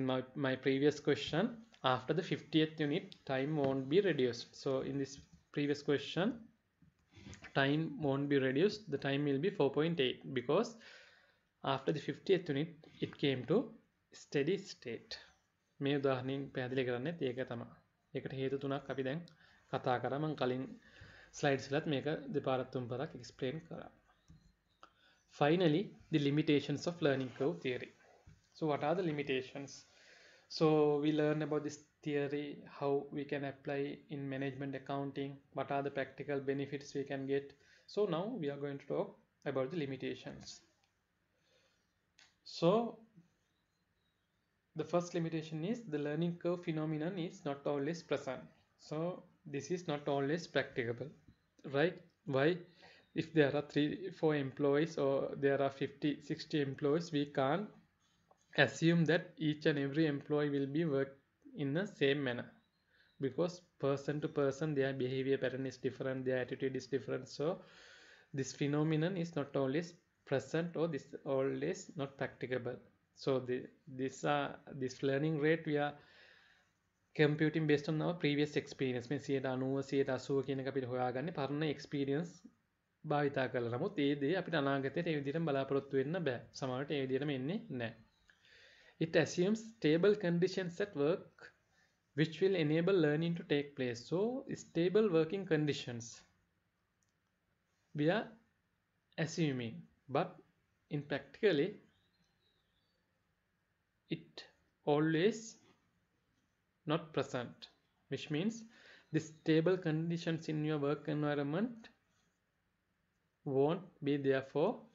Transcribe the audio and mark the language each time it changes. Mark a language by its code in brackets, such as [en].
[en] In my previous question, after the 50th unit, time won't be reduced. So in this previous question, time won't be reduced, the time will be 4.8, because after the 50th unit it came to steady state. [si] මේ උදාහරණයෙන් පැහැදිලි කරන්නේ ඒක තමයි. ඒකට හේතු තුනක් අපි දැන් කතා කරා. මම කලින් slides වලත් මේක දෙපාරක් තුන්පාරක් explain කරා. [en] Finally, the limitations of learning curve theory. So what are the limitations? So we learn about this theory, how we can apply in management accounting, what are the practical benefits we can get. So now we are going to talk about the limitations. So the first limitation is the learning curve phenomenon is not always present. So this is not always practicable, right? Why? If there are 3-4 employees, or there are 50-60 employees, we can't assume that each and every employee will be worked in the same manner, because person to person their behavior pattern is different, their attitude is different. So this phenomenon is not always present, or this always not practicable. So this learning rate we are computing based on our previous experience. [si] මේ 90 80 කියනක අපිට හොයාගන්නේ පරණ experience භාවිතා කරලා. නමුත් ඒ දේ අපිට අනාගතයේ මේ විදිහටම බලාපොරොත්තු වෙන්න බෑ. සමහරවිට මේ විදිහටම එන්නේ නැහැ. [en] It assumes stable conditions at work which will enable learning to take place. So stable working conditions we are assuming, but in practically it always not present, which means the stable conditions in your work environment won't be there for